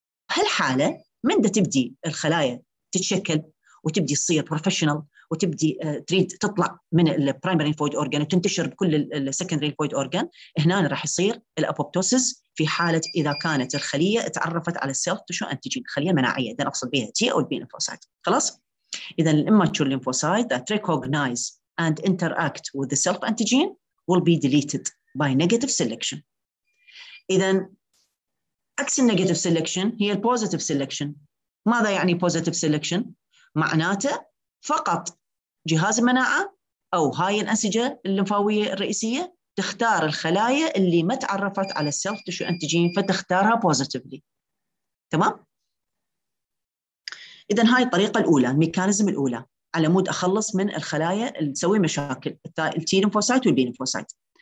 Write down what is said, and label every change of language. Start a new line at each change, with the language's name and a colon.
Arabic: فبهالحالة من دا تبدي الخلايا تتشكل وتبدي تصير بروفيشنال وتبدي تريد تطلع من البرايمري ليمفويد اورجان وتنتشر بكل السكندري ليمفويد اورجان، هنا راح يصير الابوبتوسس في حاله اذا كانت الخليه تعرفت على السيلف تشو انتيجين، خليه مناعيه، اذا اقصد بها تي او البي ليمفوسايت. خلاص؟ اذا
English: الاماتشور lymphocyte that recognize and interact with the self antigen will be deleted by negative selection.
Arabic: إذن أكسن negative selection هي positive selection. ماذا يعني positive selection؟ معناته فقط جهاز المناعة أو هاي الأنسجة اللمفاوية الرئيسية تختار الخلايا اللي ما تعرفت على self tissue antigen فتختارها positively. تمام؟ إذن هاي الطريقة الأولى الميكانيزم الأولى على مود أخلص من الخلايا اللي تسوي مشاكل التي لمفوسايت والبي لمفوسايت.